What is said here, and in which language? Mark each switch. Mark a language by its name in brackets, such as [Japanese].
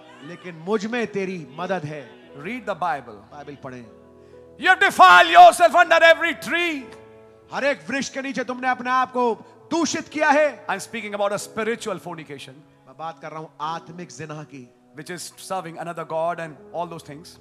[Hindi] लेकिन मुझ में तेरी मदद है. [English] Read the Bible. [Hindi] बाइबल पढ़ें. [English] You defile yourself under every tree. [Hindi] हर एक वृक्ष के नीचे तुमने अपने आप को दूषित किया है. [English] I'm speaking about a spiritual fornication. [Hindi] मैं बात कर रहा हूँ आत्मिक जिना की. [English] Which is serving another god and all those things,